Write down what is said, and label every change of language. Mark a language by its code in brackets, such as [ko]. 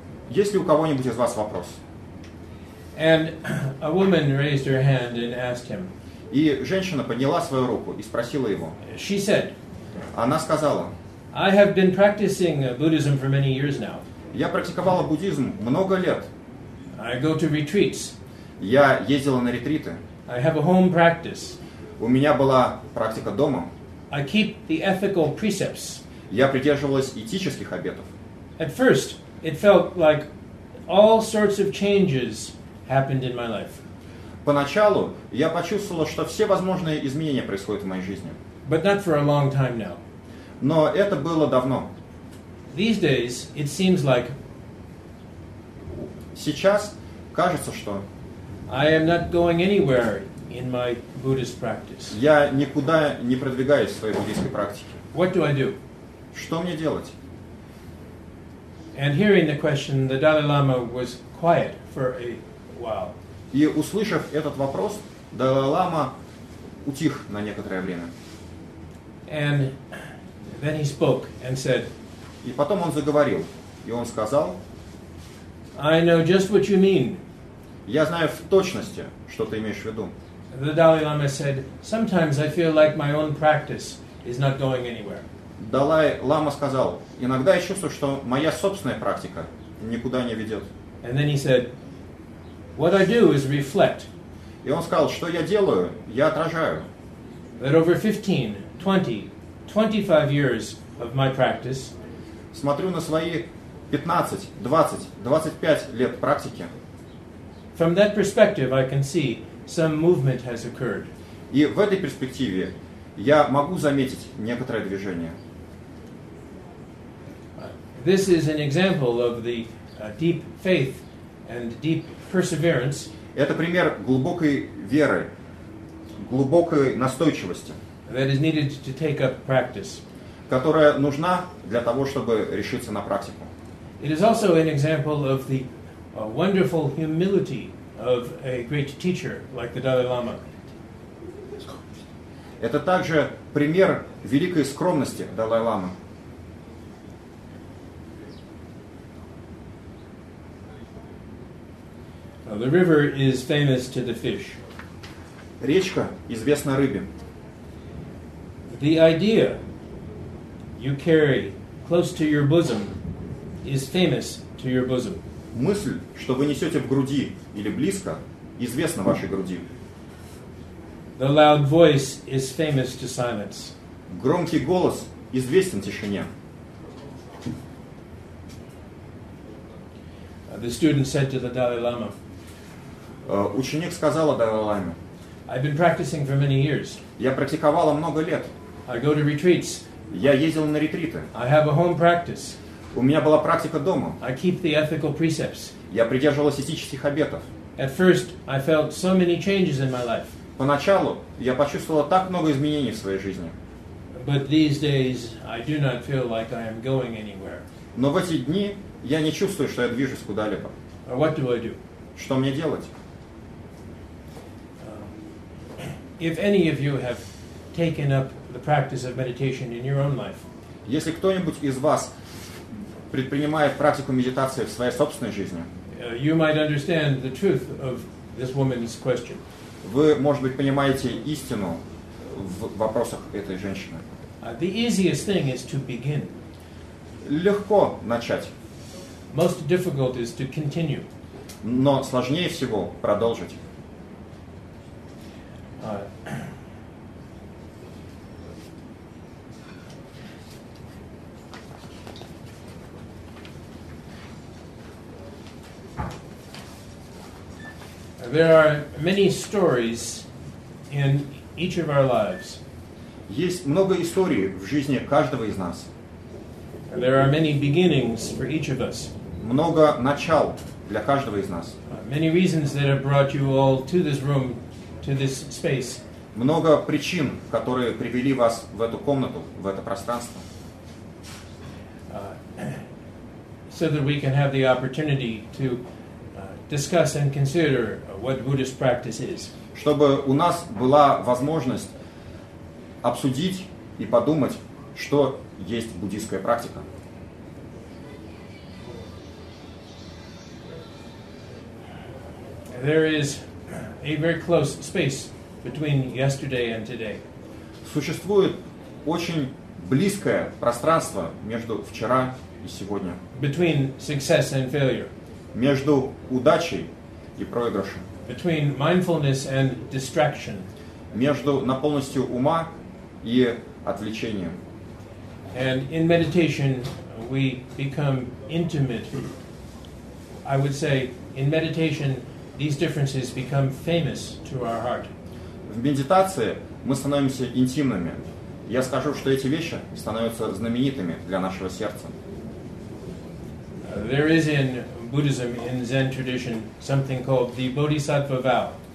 [ru] Есть ли у кого-нибудь из вас вопрос? [en] And a woman raised her hand and asked him. [ru] И женщина подняла свою руку и спросила его. [en] She said, [ru] она сказала, [en] I have been practicing Buddhism for many years now. [ru] Я практиковала буддизм много лет. [en] I go to retreats. [ru] Я ездила на ретриты. [en] I have a home practice. [ru] У меня была практика дома. [en] I keep the ethical precepts. [ru] Я придерживалась этических обетов. [en] At first, it felt like all sorts of changes happened in my life. [ru] Поначалу я почувствовала, что все возможные изменения происходят в моей жизни. [en] But not for a long time now. [ru] Но это было давно. [en] These days, it seems like... [ru] Сейчас кажется, что... [en] I am not going anywhere in my Buddhist practice. [ru] Я никуда не продвигаюсь в своей буддийской практике. [en] What do I do? [ru] Что мне делать? [en] And hearing the question, the Dalai Lama was quiet for a while. [ru] И услышав этот вопрос, Далай-лама утих на некоторое время. [en] And then he spoke and said, [ru] и потом он заговорил, и он сказал, [en] I know just what you mean. [ru] Я знаю в точности, что ты имеешь в виду. [en] The Dalai Lama said, sometimes I feel like my own practice is not going anywhere. [ru] Далай-лама сказал, иногда я чувствую, что моя собственная практика никуда не ведет. [en] And then he said, what I do is reflect. [ru] И он сказал, что я делаю, я отражаю. [en] That over 15, 20, 25 years of my practice, [ru] смотрю на свои 15, 20, 25 лет практики. [en] From that perspective, I can see some movement has occurred. [ru] И в этой перспективе я могу заметить некоторое движение. [en] This is an example of the deep faith and deep perseverance. [ru] Это пример глубокой веры, глубокой настойчивости. [en] That is needed to take up practice. [ru] Которая нужна для того, чтобы решиться на практику. [en] It is also an example of the wonderful humility of a great teacher like the Dalai Lama. [ru] Это также пример великой скромности Далай-ламы. [en] The river is famous to the fish. [ru] Речка известна рыбе. [en] The idea you carry close to your bosom is famous to your bosom. [ru] Мысль, что вы несете в груди или близко, известна вашей груди. [en] The loud voice is famous to silence. [ru] Громкий голос известен тишине. [en] The student said to the Dalai Lama, [ru] ученик сказал Далай-ламе, [en] I've been practicing for many years. [ru] Я практиковала много лет. [en] I go to retreats. [ru] Я ездил на ретриты. [en] I have a home practice. [ru] У меня была практика дома. [en] I keep the ethical precepts. [ru] Я придерживалась этических обетов. [en] At first, I felt so many changes in my life. [ru] Поначалу я почувствовала так много изменений в своей жизни. [en] But these days, I do not feel like I am going anywhere. [ru] Но в эти дни я не чувствую, что я движусь куда-либо. [en] What do I do? [ru] Что мне делать? [en] If any of you have taken up the practice of meditation in your own life, [ru] если кто-нибудь из вас предпринимает практику медитации в своей собственной жизни, [en] you might understand the truth of this woman's question. [ru] Вы, может быть, понимаете истину в вопросах этой женщины. [en] The easiest thing is to begin. [ru] Легко начать. [en] Most difficult is to continue. [ru] Но сложнее всего продолжить. [en] There are many stories in each of our lives. [ru] Есть много историй в жизни каждого из нас. [en] There are many beginnings for each of us. [ru] Много начал для каждого из нас. [en] Many reasons that have brought you all to this room, to this space. [ru] Много причин, которые привели вас в эту комнату, в это пространство. [en] So that we can have the opportunity to discuss and consider what Buddhist practice is. [ru] Чтобы у нас была возможность обсудить и подумать, что есть буддийская практика. [en] There is a very close space between yesterday and today. [ru] Существует очень близкое пространство между вчера и сегодня. [en] Between success and failure. [ru] Между удачей и проигрышем. [en] between mindfulness and distraction. [ru] Между наполненностью ума и отвлечением. [en] And in meditation we become intimate. I would say in meditation these differences become famous to our heart. [ru] В медитации мы становимся интимными. Я скажу, что эти вещи становятся знаменитыми для нашего сердца. [en] There is in Buddhism, in Zen tradition, something called the Bodhisattva vow.